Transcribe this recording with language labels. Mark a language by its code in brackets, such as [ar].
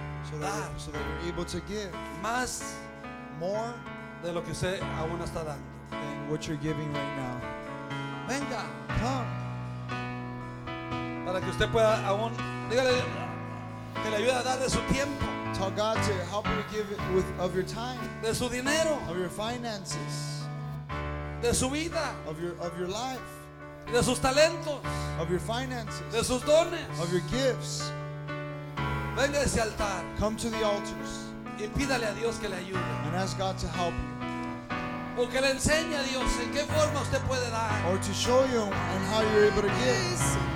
[en] So that you're able to give [es] más [en] more [es] de lo que usted aún está dando [en] than what you're giving right now. [es] Venga, [en] come. [es] Para que usted pueda aún, dígale que le ayude a dar de su tiempo. [en] Tell God to help you give with of your time. [es] De su dinero. [en] Of your finances. [es] De su vida. [en] Of your life. [es] De sus talentos. [en] Of your finances. [es] De sus dones. [en] Of your gifts. [es] Venga a ese altar. [en] Come to the altars. [es] Y pídale a Dios que le ayude. [en] And ask God to help you. [es] O que le enseñe a Dios en qué forma usted puede dar. [en] Or to show you and how you're able to give.